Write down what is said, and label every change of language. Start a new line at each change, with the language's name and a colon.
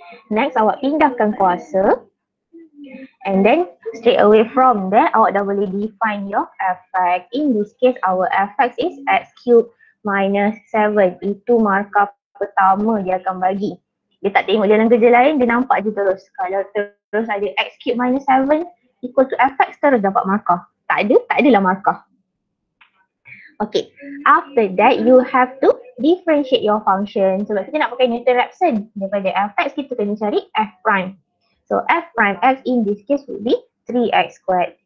Malay: Next, awak pindahkan kuasa.
English: And then straight away from that,
Malay: awak dah boleh
English: define your fx. In this case, our fx is x cube minus 7.
Malay: Itu markah pertama dia akan bagi. Dia tak tengok jalan kerja lain, dia nampak je terus. Kalau terus ada
English: x cube minus 7 equal to fx,
Malay: terus dapat markah. Tak ada, tak adalah markah.
English: Okay, after that you have to differentiate your function.
Malay: Sebab kita nak pakai Newton-Raphson. Daripada fx, kita kena cari f prime.
English: So f prime x in this case would be 3x squared.